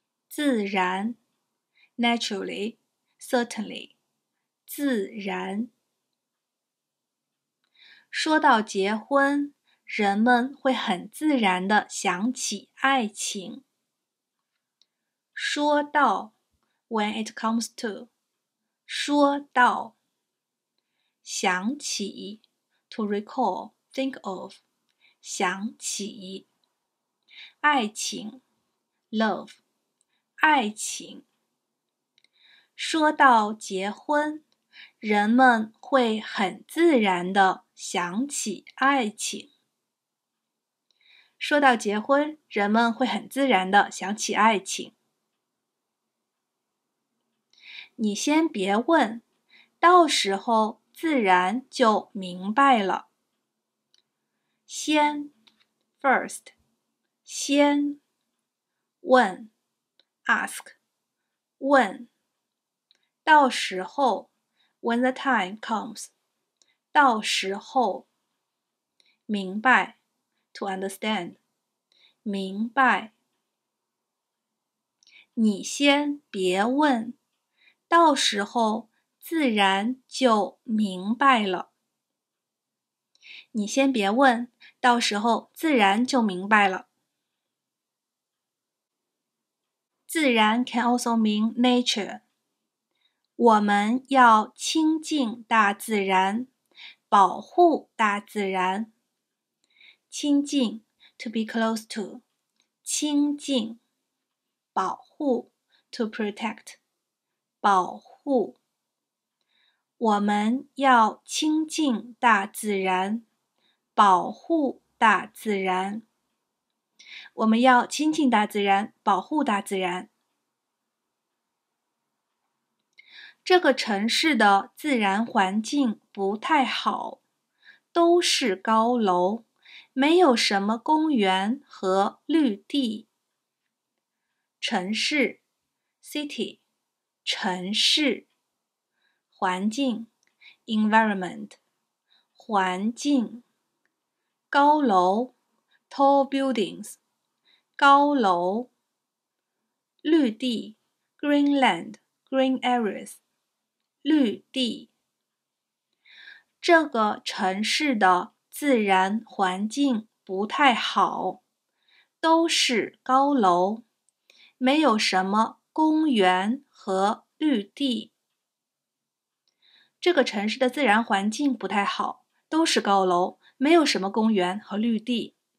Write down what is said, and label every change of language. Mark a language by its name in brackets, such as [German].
[English] 自然 Naturally, certainly, 自然。 [Chinese] 说到结婚，人们会很自然地想起爱情。 [English] 说到 When it comes to, 说到。想起 To recall, think of, 想起。 [Chinese] 爱情 Love,爱情。说到结婚，人们会很自然地想起爱情。说到结婚，人们会很自然地想起爱情。你先别问，到时候自然就明白了。先 ，first， 先问。 [English] Ask, 问，到时候 ,when the time comes, 到时候，明白 ,to understand, 明白。 [Chinese] 你先别问，到时候自然就明白了。你先别问，到时候自然就明白了。 [English] 自然 can also mean nature. [Chinese] 我们要亲近大自然，保护大自然。 [English] 亲近 to be close to, 亲近。保护 to protect, 保护。 [Chinese] 我们要亲近大自然，保护大自然。我们要亲近大自然，保护大自然。这个城市的自然环境不太好，都是高楼，没有什么公园和绿地。城市 City 城市。环境 Environment 环境。 [English] 高楼 Tall buildings 高楼。绿地 Green land Green areas绿地。 [Chinese] 这个城市的自然环境不太好，都是高楼，没有什么公园和绿地。这个城市的自然环境不太好，都是高楼，没有什么公园和绿地。